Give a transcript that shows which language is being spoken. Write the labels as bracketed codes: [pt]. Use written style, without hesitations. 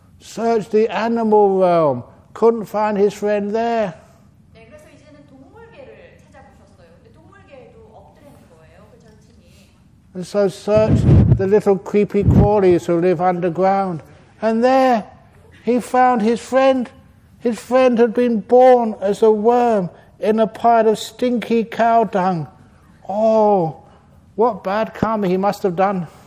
[en] searched the animal realm, couldn't find his friend there. [ko] 네, 그래서 이제는 동물계를 찾아보셨어요. 근데 동물계에도 없더라는 거예요, 그 전신이. [en] And so searched the little creepy crawlies who live underground. And there he found his friend. His friend had been born as a worm in a pile of stinky cow dung. Oh, what bad karma he must have done.